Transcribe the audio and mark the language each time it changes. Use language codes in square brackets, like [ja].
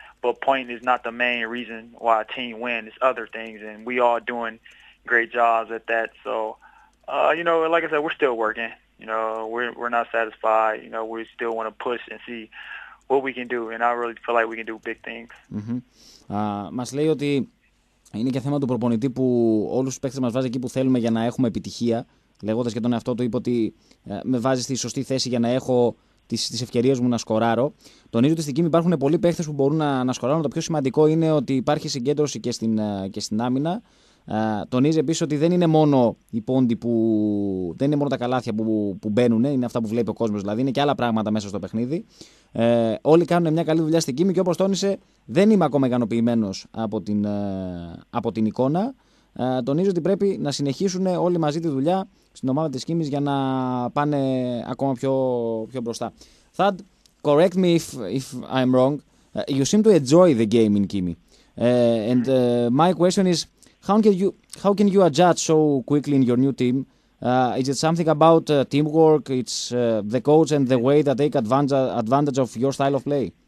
[en] But point is not the main reason why a team wins. It's other things, and we all doing great jobs at that. So, you know, like I said, we're still working. You know, we're not satisfied. You know, we still want to push and see what we can do, and I really feel like we can do big things. [el] Μας λέει ότι είναι και θέμα του προπονητή που όλους τους παίκτες μας βάζει εκεί που θέλουμε για να έχουμε επιτυχία. Λέγοντας για τον εαυτό του, είπε ότι με βάζει στη σωστή θέση για να έχω τις ευκαιρίες μου να σκοράρω. Τονίζω ότι στην Κίμη υπάρχουν πολλοί παίκτες που μπορούν να σκοράρουν. Το πιο σημαντικό είναι ότι υπάρχει συγκέντρωση και στην άμυνα. Τονίζει επίσης ότι δεν είναι μόνο οι πόντοι που. Δεν είναι μόνο τα καλάθια που μπαίνουν, είναι αυτά που βλέπει ο κόσμος, δηλαδή είναι και άλλα πράγματα μέσα στο παιχνίδι. Όλοι κάνουν μια καλή δουλειά στην Κίμη και όπως τόνισε, δεν είμαι ακόμα ικανοποιημένος από την εικόνα. Τονίζει ότι πρέπει να συνεχίσουν όλοι μαζί τη δουλειά στην ομάδα της Κίμης για να πάνε ακόμα πιο μπροστά. [en] Thad, correct me if I'm wrong. You seem to enjoy the game in Kimi. And my question is, how can you adjust so quickly in your new team? Is it something about teamwork? It's the coach and the way that take advantage of your style of play?